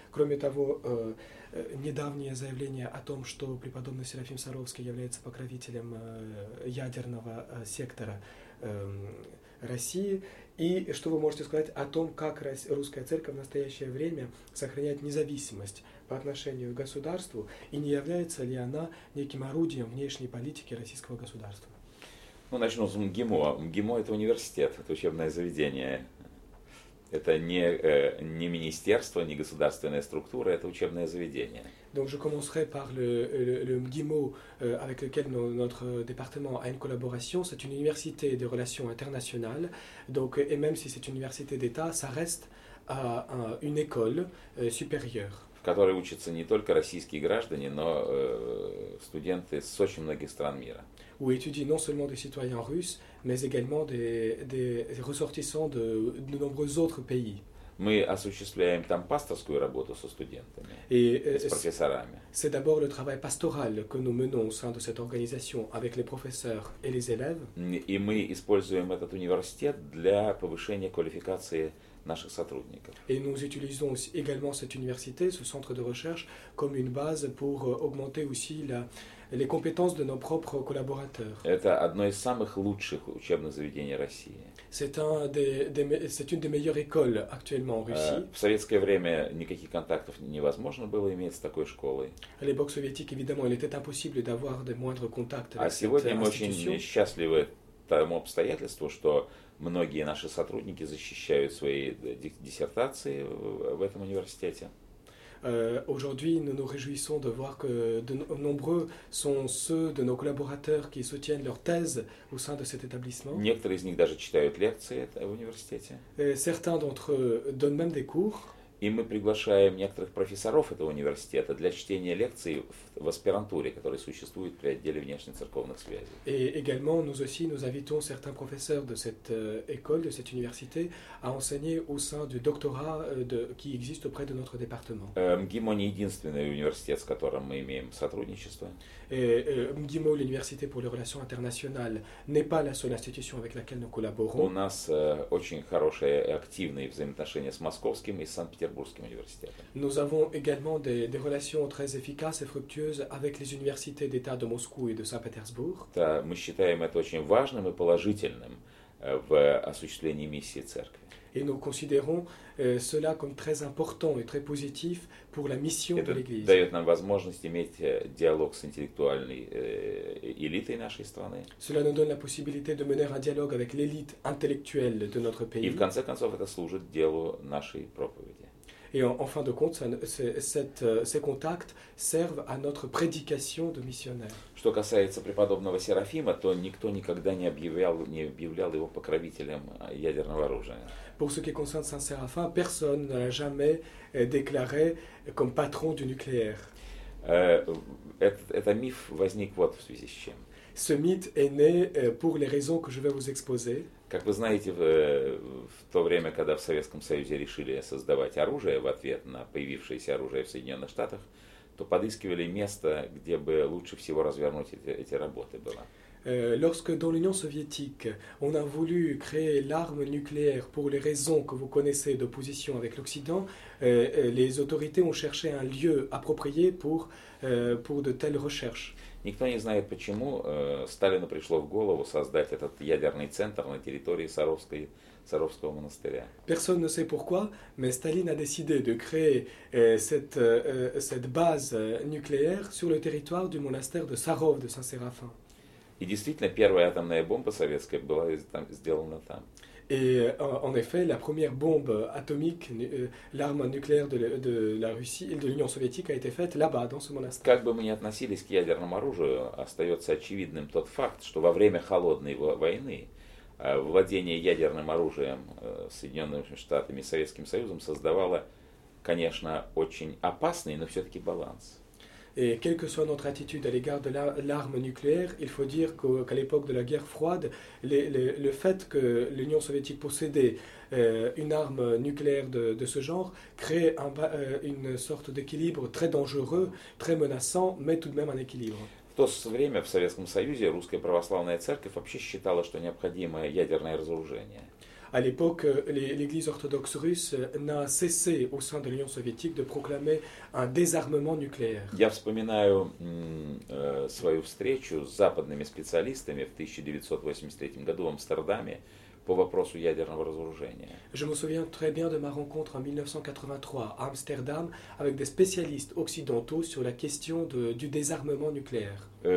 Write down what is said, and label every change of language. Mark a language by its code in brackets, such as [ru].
[ru] Кроме того, недавнее заявление о том, что преподобный Серафим Саровский является покровителем ядерного сектора России, и что вы можете сказать о том, как русская церковь в настоящее время сохраняет независимость по отношению к государству, и не является ли она неким орудием внешней политики российского государства? Ну, начну с МГИМО. МГИМО – это университет, это учебное заведение. Это не министерство, не государственная структура, это учебное заведение. [fr] Donc je commencerai par le MGIMO avec lequel notre département a une collaboration. C'est une université de relations internationales. Donc, et même si c'est une université d'État, ça reste une école supérieure. [ru] В которой учатся не только российские граждане, но студенты с очень многих стран мира. [fr] Où étudient non seulement des citoyens russes, mais également des ressortissants de nombreux autres pays. [ru] Мы осуществляем там пасторскую работу со студентами и с профессорами. [fr] C'est d'abord le travail pastoral que nous menons au sein de cette organisation avec les professeurs et les élèves. [ru] И мы используем этот университет для повышения квалификации наших сотрудников. [fr] Et nous utilisons également cette université, ce centre de recherche, comme une base pour augmenter aussi les compétences de nos propres collaborateurs. [ru] Это одно из самых лучших учебных заведений России. [fr] C'est une des meilleures écoles actuellement en Russie. [ru] В советское время никаких контактов невозможно было иметь с такой школой. [fr] À l'époque soviétique, évidemment, il était impossible d'avoir des moindres contacts avec cette institution. [ru] А сегодня мы очень счастливы тому обстоятельству, что многие наши сотрудники защищают свои диссертации в этом университете. [fr] Aujourd'hui, nous nous réjouissons de voir que de nombreux sont ceux de nos collaborateurs qui soutiennent leur thèse au sein de cet établissement. [ru] Некоторые из них даже читают лекции в университете. [fr] Certains d'entre eux donnent même des cours. [ru] И мы приглашаем некоторых профессоров этого университета для чтения лекций в аспирантуре, которая существует при отделе внешнецерковных связей. [fr] Et également, nous aussi, nous invitons certains professeurs de cette école, de cette université, à enseigner au sein du doctorat qui existe auprès de notre département. [ru] МГИМО не единственный университет, с которым мы имеем сотрудничество. [fr] МГИМО, l'université pour les relations internationales, n'est pas la seule institution avec laquelle nous collaborons. [ru] У нас очень хорошие и активные взаимоотношения с Московским и Санкт-Петербургом. [fr] Nous avons également des relations très efficaces et fructueuses avec les universités d'État de Moscou et de Saint-Pétersbourg. [ru] Мы считаем это очень важным и положительным в осуществлении миссии церкви. [fr] Et nous considérons cela comme très important et très positif pour la mission [ru] это [fr] de l'Église. [ru] Это дает нам возможность иметь диалог с интеллектуальной элитой нашей страны. [fr] Cela nous donne la possibilité de mener un dialogue avec l'élite intellectuelle de notre pays. [ru] И в конце концов это служит делу нашей проповеди. [fr] Et en fin de compte, ces contacts servent à notre prédication de missionnaire. [ru] Что касается преподобного Серафима, то никто никогда не объявлял его покровителем ядерного оружия. [fr] Pour ce qui concerne Saint Séraphin, personne n'a jamais déclaré comme patron du nucléaire. [ru] Этот миф возник вот в связи с чем. [fr] Ce mythe est né pour les raisons que je vais vous exposer. [ru] Как вы знаете, в то время, когда в Советском Союзе решили создавать оружие в ответ на появившееся оружие в Соединенных Штатах, то подыскивали место, где бы лучше всего развернуть эти работы было. [fr] Lorsque dans l'Union soviétique, on a voulu créer l'arme nucléaire pour les raisons que vous connaissez d'opposition avec l'Occident, les autorités ont cherché un lieu approprié pour de telles recherches. [ru] Никто не знает, почему Сталину пришло в голову создать этот ядерный центр на территории Саровского монастыря. [fr] Personne ne sait pourquoi, mais Staline a décidé de créer cette base nucléaire sur le territoire du monastère de Sarov de Saint-Séraphin. [ru] И действительно, первая атомная бомба советская была сделана там. [fr] Et en effet, la première bombe atomique, l'arme nucléaire de la Russie et de l'Union soviétique a été faite là-bas, dans ce monastère. [ru] Как бы мы ни относились к ядерному оружию, остается очевидным тот факт, что во время холодной войны владение ядерным оружием Соединенными Штатами и Советским Союзом создавало, конечно, очень опасный, но все-таки баланс. [fr] Et quelle que soit notre attitude à l'égard de l'arme nucléaire, il faut dire qu'à l'époque de la guerre froide, le fait que l'Union soviétique possédait une arme nucléaire de ce genre crée une sorte d'équilibre très dangereux, très menaçant, mais tout de même un équilibre. [ru] В то время в Советском Союзе Русская Православная Церковь вообще считала, что необходимо ядерное разоружение. [fr] À l'époque, l'Église orthodoxe russe n'a cessé au sein de l'Union soviétique de proclamer un désarmement nucléaire. [ru] Я вспоминаю свою встречу с западными специалистами в 1983 году в Амстердаме по вопросу ядерного разоружения. [fr] Je me souviens très bien de ma rencontre en 1983 à Amsterdam avec des spécialistes occidentaux sur la question du désarmement nucléaire.